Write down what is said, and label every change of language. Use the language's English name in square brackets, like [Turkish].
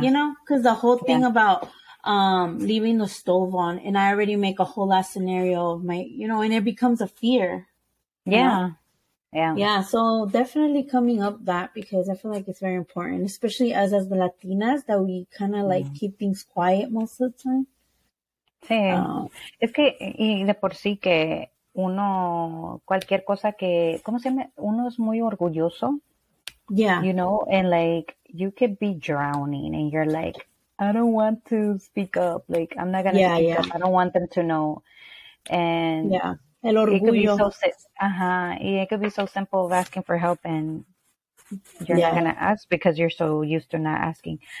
[English] You know, because the whole thing about leaving the stove on, and I already make a whole last scenario of my, you know, and it becomes a fear. Yeah. So definitely coming up that, because I feel like it's very important, especially us as the Latinas, that we kind of like keep things quiet most of the time. [Spanish] Sí. Es que, y de por sí que uno, cualquier cosa que, ¿cómo se llama? Uno es muy orgulloso. [English] Yeah. You know, and like, you could be drowning and you're like, I don't want to speak up. Like, I'm not going to speak up. I don't want them to know. And [Spanish] El orgullo. [English] It could be so, it could be so simple of asking for help and you're not going to ask because you're so used to not asking.